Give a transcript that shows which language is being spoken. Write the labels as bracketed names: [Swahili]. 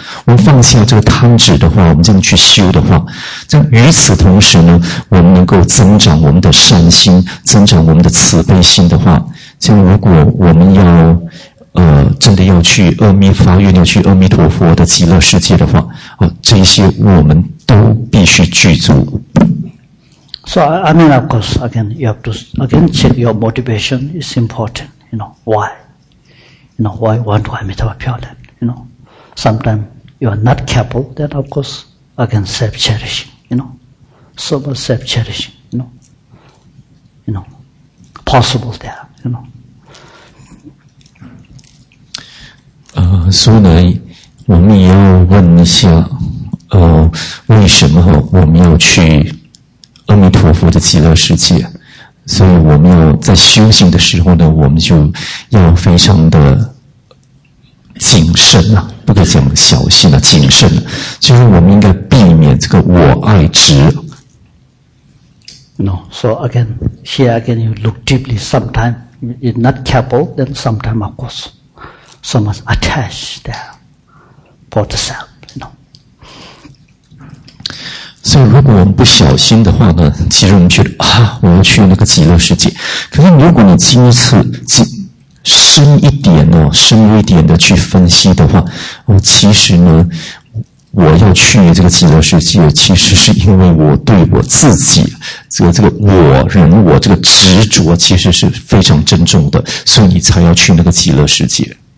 [Chinese] 我们放下这个贪执的话，我们这样去修的话，在与此同时呢，我们能够增长我们的善心，增长我们的慈悲心的话，像如果我们要真的要去阿弥发愿，要去阿弥陀佛的极乐世界的话，这些我们都必须具足。 [English] So I mean, of course, again, you have to again check your motivation. It's important, you know, why, you know, why want to Amitabha Pure Land, you know. Sometimes you are not careful, then of course, again, self-cherishing, you know, so much self-cherishing, you know, possible there, you know. [Chinese] 所以呢，我们也要问一下，为什么我们要去阿弥陀佛的极乐世界？所以我们要在修行的时候呢，我们就要非常的谨慎啊，不可以讲小心啊，谨慎。就是我们应该避免这个我爱执。 [English] No, so again, here again, you look deeply. Sometimes you're not careful, then sometimes of course. So much attached there for the self, you know. [Chinese] So, 如果我们不小心的话呢，其实我们觉得啊，我要去那个极乐世界。可是，如果你今次深一点哦，深入一点的去分析的话，哦，其实呢，我要去这个极乐世界，其实是因为我对我自己这个我人我这个执着，其实是非常珍重的，所以你才要去那个极乐世界。